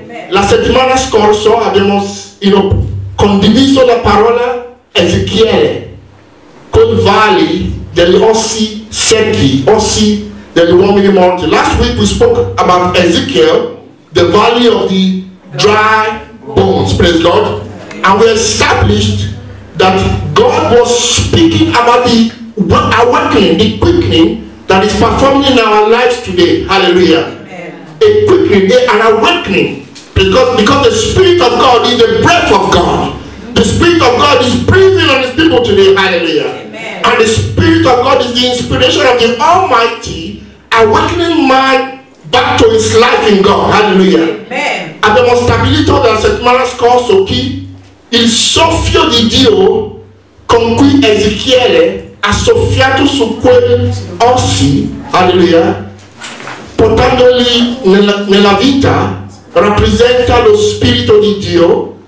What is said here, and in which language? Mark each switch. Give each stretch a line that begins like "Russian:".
Italian: La settimana scorsa abbiamo condiviso la parola Ezechiele col valle degli ossi secchi, ossi degli uomini morti.
English: Last week we spoke about Ezekiel, the valley of the dry bones, praise God. And we established that God was speaking about the awakening, the quickening that is performing in our lives today. Hallelujah. Amen. A quickening, an awakening. Because the Spirit of God is the breath of God. The Spirit of God is breathing on His people today. Hallelujah. Amen. And the Spirit of God is the inspiration of the Almighty, awakening man back to his life in God. Hallelujah. Amen.
Italian: Abbiamo stabilito la settimana scorsa che il soffio di Dio con cui Ezechiele ha soffiato su quel ossi, hallelujah, portandoli nella vita, rappresenta lo Spirito di Dio.